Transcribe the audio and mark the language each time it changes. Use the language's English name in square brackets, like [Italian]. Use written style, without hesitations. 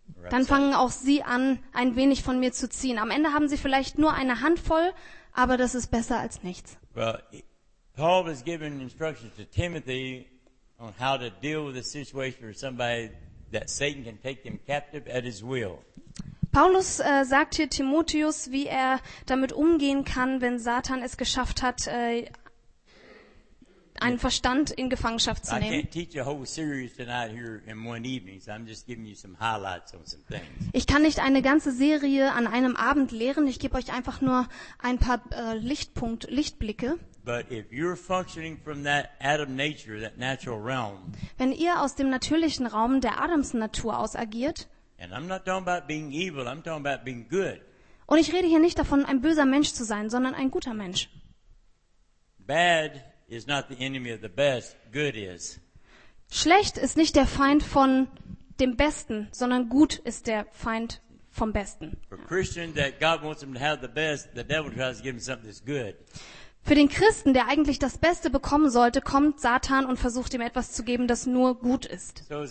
[German] Dann fangen auch sie an, ein wenig von mir zu ziehen. Am Ende haben sie vielleicht nur eine Handvoll, aber das ist besser als nichts. [English] Paul has given instructions to Timothy on how to deal with a situation where somebody that Satan can take them captive at his will. [German] Paulus sagt hier Timotheus, wie er damit umgehen kann, wenn Satan es geschafft hat, einen Verstand in Gefangenschaft zu nehmen. [English] I can't teach a whole series tonight here in one evening, so I'm just giving you some highlights on some things. [German] Ich kann nicht eine ganze Serie an einem Abend lehren. Ich gebe euch einfach nur ein paar Lichtblicke. [English] But if you're functioning from that Adam nature, that natural realm, [German] wenn ihr aus dem natürlichen Raum der Adams Natur aus agiert, [English] and I'm not talking about being evil, I'm talking about being good. [German] Und ich rede hier nicht davon, ein böser Mensch zu sein, sondern ein guter Mensch. [English] Bad is not the enemy of the best, good is. [German] Schlecht ist nicht der Feind von dem Besten, sondern gut ist der Feind vom Besten. [English] For Christians that God wants them to have the best, the devil tries to give them something that's good. [German] Für den Christen, der eigentlich das Beste bekommen sollte, kommt Satan und versucht ihm etwas zu geben, das nur gut ist.